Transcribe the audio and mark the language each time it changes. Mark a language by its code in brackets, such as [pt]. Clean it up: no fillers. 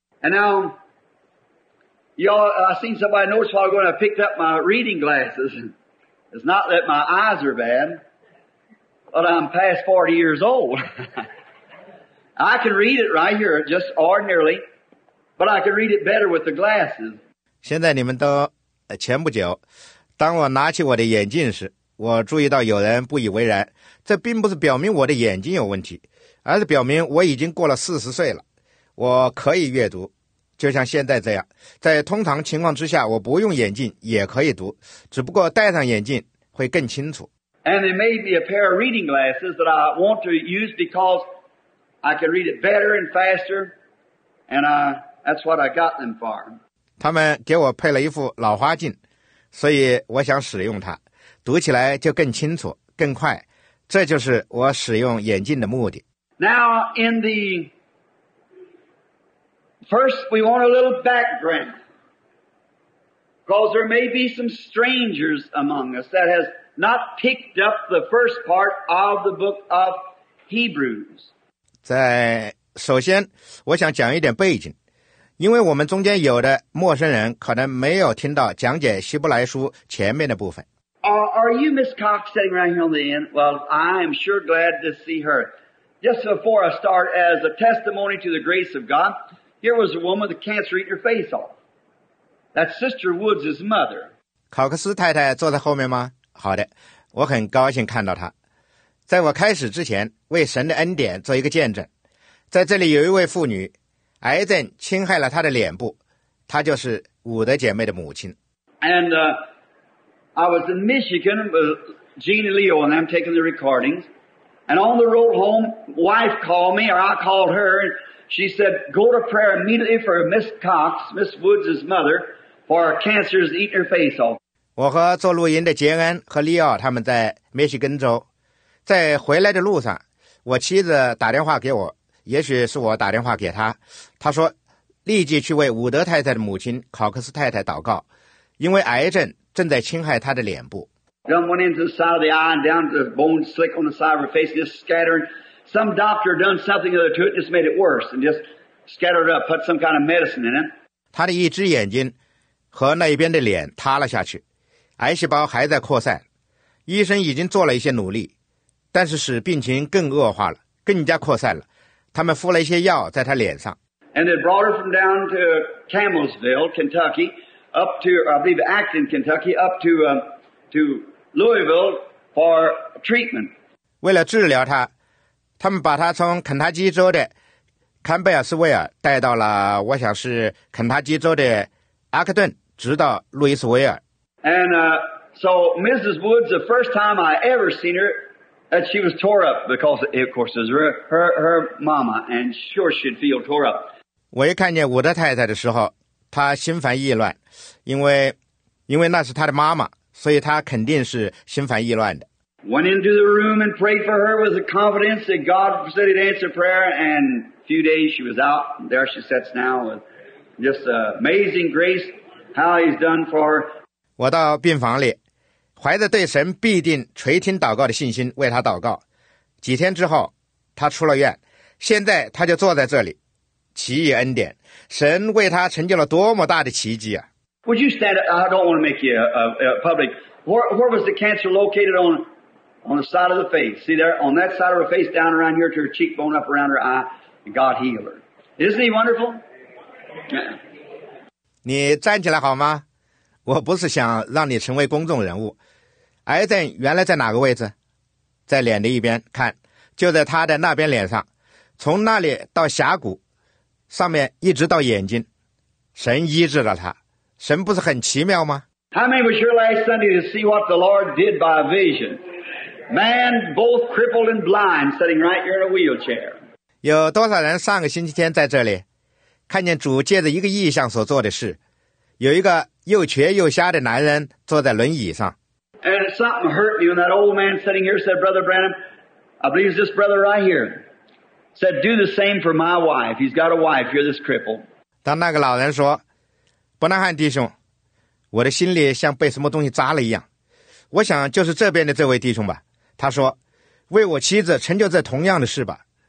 [en] And now, y'all, I seen somebody notice while I'm going to pick up my reading glasses. It's not that my eyes are bad, but I'm past 40 years old. I can read it right here, just ordinarily, but I can read it better with the glasses. [zh] 现在你们都前不久，当我拿起我的眼镜时，我注意到有人不以为然。这并不是表明我的眼睛有问题，而是表明我已经过了40岁了。我可以阅读，就像现在这样。在通常情况之下，我不用眼镜也可以读，只不过戴上眼镜会更清楚。 [en] And there may be a pair of reading glasses that I want to use because... I can read it better and faster, and that's what I got them for. [zh] 他们给我配了一副老花镜，所以我想使用它，读起来就更清楚、更快。这就是我使用眼镜的目的。 [en] Now, in the first, we want a little background, because there may be some strangers among us that has not picked up the first part of the book of Hebrews. [zh] 在首先我想讲一点背景，因为我们中间有的陌生人可能没有听到讲解希伯来书前面的部分。 [en] Are you Miss Cox sitting right here on the end? Well, I am sure glad to see her. Just before I start, as a testimony to the grace of God, here was a woman with cancer eating her face off. That's Sister Woods' mother. [zh] 考克斯太太坐在后面吗？好的，我很高兴看到她。在我开始之前，为神的恩典做一个见证。在这里有一位妇女，癌症侵害了她的脸部，她就是伍德姐妹的母亲。 [en] And I was in Michigan with Jean and Leo, and I'm taking the recordings. And on the road home, wife called me, or I called her, and she said, "Go to prayer immediately for Miss Cox, Miss Woods' mother, for cancer is eating her face off." [zh] 我和做录音的杰恩和利奥他们在密歇根州。在回来的路上，我妻子打电话给我，也许是我打电话给她。她说，立即去为伍德太太的母亲考克斯太太祷告，因为癌症正在侵害她的脸部。 [en] Gun went into the side of the eye and down to the bone slick on the side of her face, just scattering. Some doctor done something other to it, just made it worse, and just scattered up, put some kind of medicine in it. [zh] 她的一只眼睛和那一边的脸塌了下去，癌细胞还在扩散，医生已经做了一些努力。但是使病情更恶化了，更加扩散了。他们敷了一些药在他脸上。 [en] And they brought her from down to Camelsville, Kentucky, up to, I believe, Acton, Kentucky, up to Louisville for treatment. [zh] 为了治疗他，他们把他从肯塔基州的坎贝尔斯维尔带到了，我想是肯塔基州的阿克顿，直到路易斯维尔。 [en] And so Mrs. Woods, the first time I ever seen her,And she was tore up because, of course, it was her mama, and sure she'd feel tore up. [zh] 我一看见伍德太太的时候，她心烦意乱，因为那是她的妈妈，所以她肯定是心烦意乱的。 [en] Went into the room and prayed for her with the confidence that God said he'd answer prayer, and a few days she was out, and there she sits now with just amazing grace how he's done for her. [zh] 我到病房里。怀着对神必定垂听祷告的信心为他祷告，几天之后他出了院，现在他就坐在这里，奇异恩典，神为他成就了多么大的奇迹啊。 [en] Would you stand up? I don't want to make you public. Where was the cancer located on the side of the face? See there, on that side of her face, down around here to her cheekbone, up around her eye, God healed her. Isn't he wonderful? [zh] 你站起来好吗？我不是想让你成为公众人物。癌症原来在哪个位置？在脸的一边，看，就在他的那边脸上。从那里到峡谷，上面一直到眼睛，神医治了他。神不是很奇妙吗？ [en] How many were here last Sunday to see what the Lord did by a vision? Man, both crippled and blind, sitting right here in a wheelchair. [zh] 有多少人上个星期天在这里，看见主借着一个异象所做的事，有一个又瘸又瞎的男人坐在轮椅上。 [en] And something hurt me when that old man sitting here said, Brother Branham, I believe it's this brother right here, said, do the same for my wife. He's got a wife. You're this cripple. [zh] 当那个老人说，伯南汉弟兄，我的心里像被什么东西扎了一样，我想就是这边的这位弟兄吧。他说，为我妻子成就这同样的事吧。